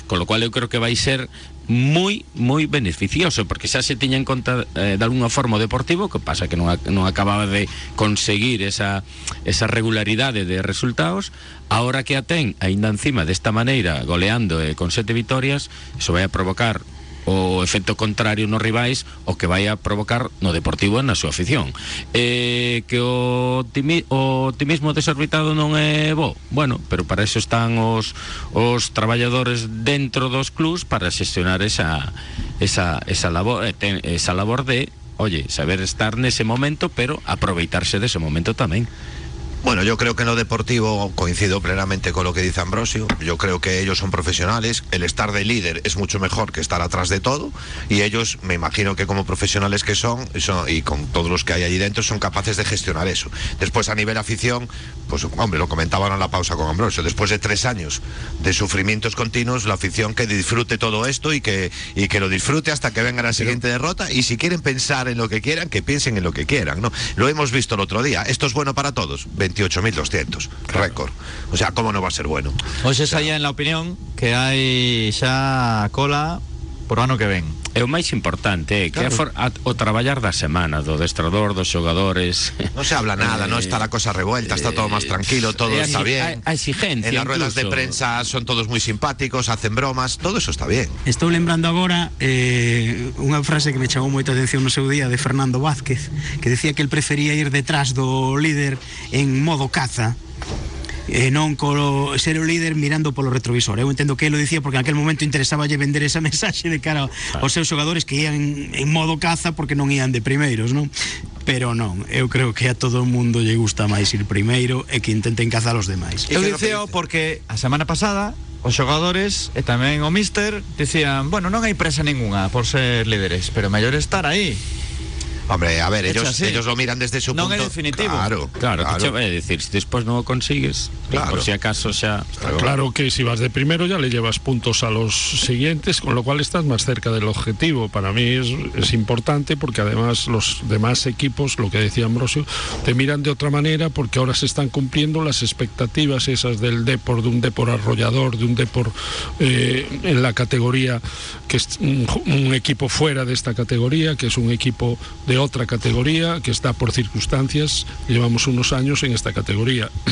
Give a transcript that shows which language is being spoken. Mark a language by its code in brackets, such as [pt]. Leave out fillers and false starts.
[gl] Con lo cual eu creo que vai ser moi, moi beneficioso, porque xa se tiña en conta de alguna forma o deportivo, que pasa que non acababa de conseguir esa regularidade de resultados. Ahora que a ten, ainda encima, desta maneira, goleando con 7 victorias, iso vai a provocar o efecto contrario nos rivais, o que vai a provocar no deportivo e na súa afición. Que o optimismo desorbitado non é bo. Bueno, pero para iso están os traballadores dentro dos clubs para xestionar esa labor, esa labor de, oye, saber estar nese momento, pero aproveitarse dese momento tamén. [es] Bueno, yo creo que en lo deportivo coincido plenamente con lo que dice Ambrosio. Yo creo que ellos son profesionales. El estar de líder es mucho mejor que estar atrás de todo. Y ellos, me imagino que como profesionales que son y con todos los que hay allí dentro, son capaces de gestionar eso. Después, a nivel afición, pues hombre, lo comentaban en la pausa con Ambrosio. Después de 3 años de sufrimientos continuos, la afición que disfrute todo esto y que lo disfrute hasta que venga la siguiente derrota. Y si quieren pensar en lo que quieran, que piensen en lo que quieran, ¿no? Lo hemos visto el otro día. Esto es bueno para todos. 28.200, claro. Récord. O sea, ¿cómo no va a ser bueno? Hoy se salía en la opinión que hay ya cola por [gl] ano que ven. É o máis importante, que claro. O traballar da semana, do destrador, dos xogadores. [es] Non se habla nada, non está a cosa revuelta, está todo máis tranquilo, todo está bien. [gl] A exigencia. [es] En las ruedas de prensa son todos moi simpáticos, hacen bromas, todo eso está bien. [gl] Estou lembrando agora unha frase que me chamou moita atención no seu día de Fernando Vázquez, que decía que [es] él prefería [gl] ir detrás do líder en modo caza. Non colo ser o líder mirando polo retrovisor. Eu entendo que ele o dicía porque en aquel momento interesaballe vender esa mensaxe de cara aos seus xogadores que ían en modo caza porque non ían de primeiros, non? Pero non, eu creo que a todo o mundo lle gusta máis ir primeiro e que intenten cazar os demais. Eu dicía porque a semana pasada os xogadores e tamén o míster dicían, bueno, non hai presa ninguna por ser líderes, pero mellor estar aí. [es] Hombre, a ver, ellos lo miran desde su punto. No, en definitivo. Claro. Que es decir, si después no lo consigues, claro. Por si acaso ya... Claro que si vas de primero ya le llevas puntos a los siguientes, con lo cual estás más cerca del objetivo. Para mí es importante porque además los demás equipos, lo que decía Ambrosio, te miran de otra manera porque ahora se están cumpliendo las expectativas esas del Depor, de un Depor arrollador, de un Depor en la categoría, que es un equipo fuera de esta categoría, que es un equipo de otra categoría, que está por circunstancias, llevamos unos años en esta categoría.